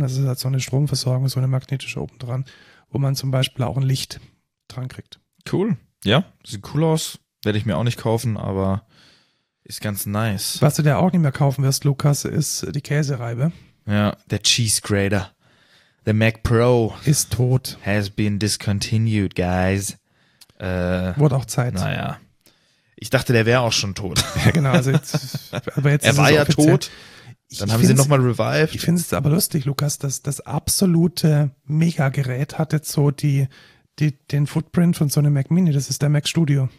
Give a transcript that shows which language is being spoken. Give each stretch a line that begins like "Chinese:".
German: Das ist halt so eine Stromversorgung, so eine magnetische oben dran, wo man zum Beispiel auch ein Licht dran kriegt. Cool. Ja, sieht cool aus. Werde ich mir auch nicht kaufen, aber ist ganz nice. Was du dir auch nicht mehr kaufen wirst, Lukas, ist die Käsereibe. Ja, der Cheese Grater. The Mac Pro. Ist tot.
English: Has been discontinued, guys.
German: Wurde auch Zeit. Naja. Ich dachte, der wäre auch schon tot. Ja, genau. Also jetzt, aber jetzt er ist war ja offiziell tot. Dann haben sie nochmal revived. Ich finde es aber lustig, Lukas, dass das absolute Mega-Gerät hat jetzt so den Footprint von so einem Mac Mini. Das ist der Mac Studio.